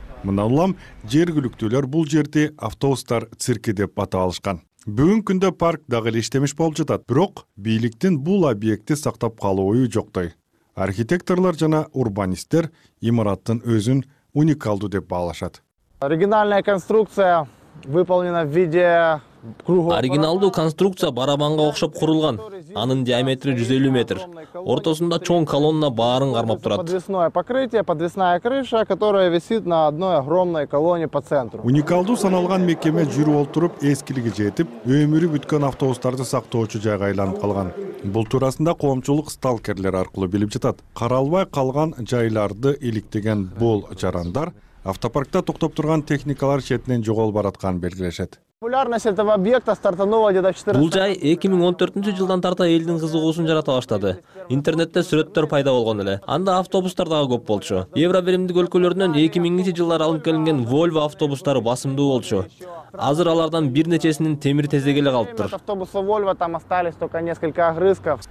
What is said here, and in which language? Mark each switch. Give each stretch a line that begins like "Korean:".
Kyrgyz: Мындан улам жергиликтүүлөр бул жерди автобустар цирки деп атап алышкан. Бүгүнкү күндө парк дагы эле иштемиш болуп жатат, бирок бийликтин бул объектти сактап калуу ою жоктой. Архитекторлор жана урбанисттер имараттын өзүн уникалдуу деп баалашат.
Russian: Оригинальная конструкция выполнена в виде
Kyrgyz: оригиналдуу конструкция барабанга окшоп курулган. Анын диаметри 150 метр. Ортосунда чоң колонна баарын кармап турат.
Russian: Подвесное покрытие, подвесная крыша, которая висит на одной огромной колонне по центру.
Kyrgyz: Уникалдуу саналган мекеме жүрүп отуруп, эскилиги жетип, өмүрү бүткөн автобустарды сактоочу жайга айланып калган. Бул туурасында коомчулук сталкерлер аркылуу билип жатат. Каралбай калган жайларды иликтеген бул жарандар автопаркта токтоп турган техникалар четинен жоголуп баратканын белгилешет.
Russian: Популярность этого объекта стартанула где-то 14.
Kyrgyz: Бул жай 2014 жылдан тарта элдин кызыгуусун жарата баштады. Интернетте сүрөттөр пайда болгон эле. Анда автобустар дагы көп болчу. Евро биримдик өлкөлөрүнөн 2000-чи жылдары алынып келинген Volvo автобустары басымдуу болчу. Азыр алардан бир нечесинин темир тезеги эле калыптыр.
Russian: Автобусу Volvo там остались только несколько огрызков.